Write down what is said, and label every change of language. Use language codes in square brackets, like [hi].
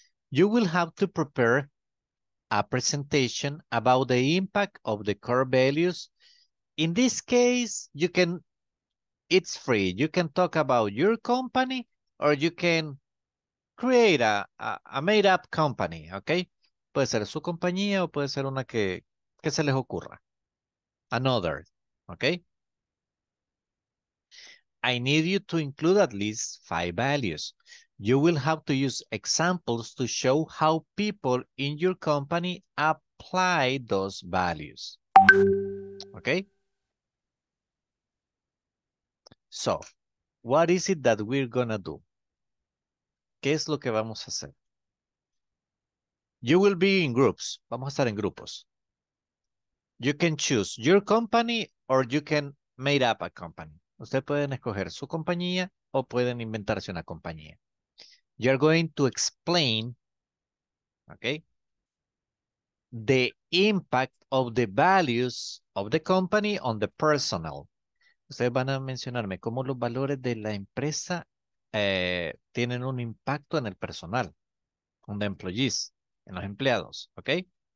[en] You will have to prepare a presentation about the impact of the core values. In this case, it's free. You can talk about your company or you can create a made up company, okay? [es] Puede ser su compañía o puede ser una que se les ocurra. [en] Another, okay? I need you to include at least 5 values. You will have to use examples to show how people in your company apply those values. Okay? So, what is it that we're gonna do? [es] ¿Qué es lo que vamos a hacer? [en] You will be in groups. [es] Vamos a estar en grupos. [en] You can choose your company or you can make up a company. [es] Ustedes pueden escoger su compañía o pueden inventarse una compañía. [en] You're going to explain, okay, the impact of the values of the company on the personnel. [es] Ustedes van a mencionarme cómo los valores de la empresa tienen un impacto en el personal, [en] on the employees, [es] en los empleados, okay?